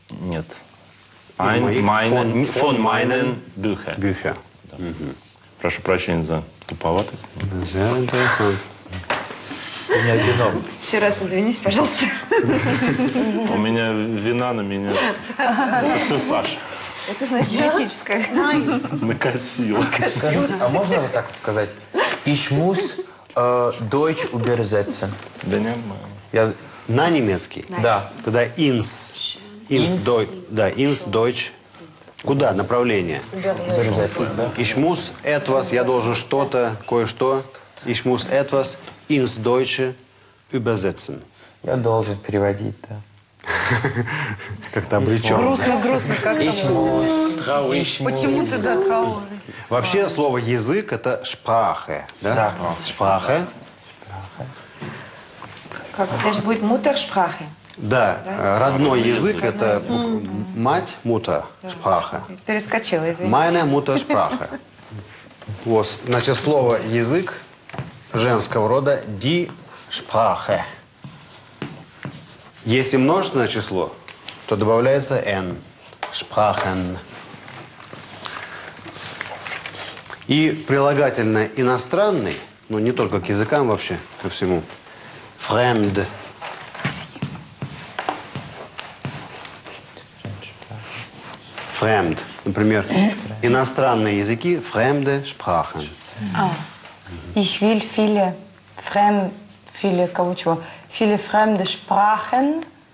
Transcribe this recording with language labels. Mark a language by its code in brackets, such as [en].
[de] нет ein meinen von meinen Bücher. Bücher. [ru] Да. Mhm. Прошу прощения за туповатость. [de] Sehr interessant. [ru] Не одинок. Еще раз извинись, пожалуйста. У меня вина на меня. Это все Саша. Это, значит, генетическое. Накатило. А можно вот так вот сказать? [de] Ich muss Deutsch übersetzen. [ru] Да нет. На немецкий? Да. [de] Тогда ins. Ins Deutsch. Да, ins Deutsch. [ru] Куда? Направление. [de] Ich muss etwas, [ru] я должен что-то, кое-что. [de] Ich muss etwas ins Deutsche übersetzen. [ru] Я должен переводить, да. Как-то обречен. Грустно-грустно. [de] Ich muss. [ru] Почему ты, да, [de] traurig? [ru] Вообще слово «язык» — это «sprache». «Sprache». Это же будет «Muttersprache». Да, родной язык — это «мать», «мута», «sprache». Перескочила, извините. [de] «Meine Muttersprache». [ru] Вот, значит, слово «язык» женского рода [de] die Sprache. [ru] Если множественное число, то добавляется n. [de] Sprachen. [ru] И прилагательное иностранный, ну не только к языкам вообще, ко всему. [de] Fremd. Fremd. [ru] Например, иностранные языки. [de] Fremde Sprachen. Ich will viele fremde, viele, [ru] кого чего, [de] viele fremde Sprachen